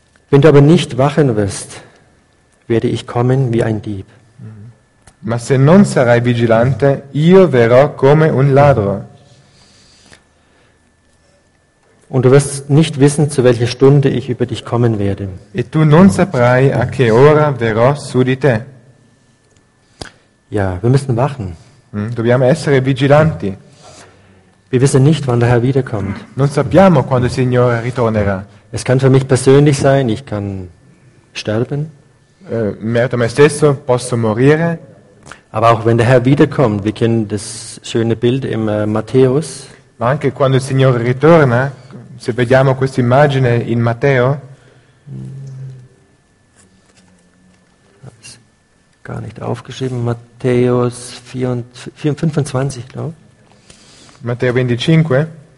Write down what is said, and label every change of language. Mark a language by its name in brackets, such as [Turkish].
[German] Wenn du aber nicht wachen wirst, werde ich kommen wie ein Dieb. [Italian] Ma se non sarai vigilante, io verrò come un ladro. [German] Und du wirst nicht wissen, zu welcher Stunde ich über dich kommen werde. [Italian] E tu non saprai a che ora verrò su di te. [German] Ja, wir müssen wachen. [Italian] Dobbiamo essere vigilanti. [German] Wir wissen nicht, wann der Herr wiederkommt. [Italian] Non sappiamo quando il Signore ritornerà. [German] Es kann für mich persönlich sein, ich kann sterben. [Italian] Merito me stesso, posso morire. [German] Aber auch wenn der Herr wiederkommt, wir kennen das schöne Bild im Matthäus. [Italian] Ma anche quando il Signore ritorna, se vediamo questa immagine in Matteo. [German] Gar nicht aufgeschrieben, Matthäus 25, glaube ich. [Italian] Matteo 25.